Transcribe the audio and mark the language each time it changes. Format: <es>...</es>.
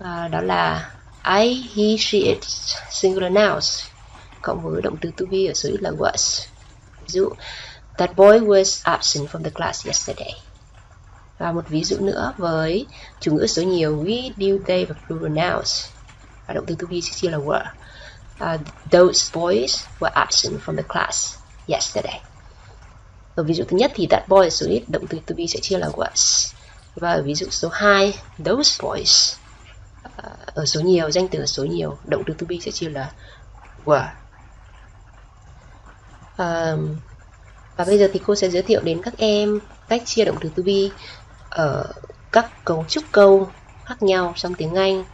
<vi>Đó là I, he, she, it, singular nouns cộng với động từ to be ở số ít là was. Ví dụ,</vi> <en>that boy was absent from the class yesterday.</en> <vi>Và một ví dụ nữa với chủ ngữ số nhiều we, do, they và plural nouns. Và động từ to be chia là were.</vi> <en>Those boys were absent from the class yesterday.</en> <vi>Ở ví dụ thứ nhất thì that boy số ít, động từ to be sẽ chia là was. Và ở ví dụ số 2, those boys ở số nhiều, danh từ ở số nhiều, động từ to be sẽ chia là were. Và bây giờ thì cô sẽ giới thiệu đến các em cách chia động từ to be ở các cấu trúc câu khác nhau trong tiếng Anh.</vi>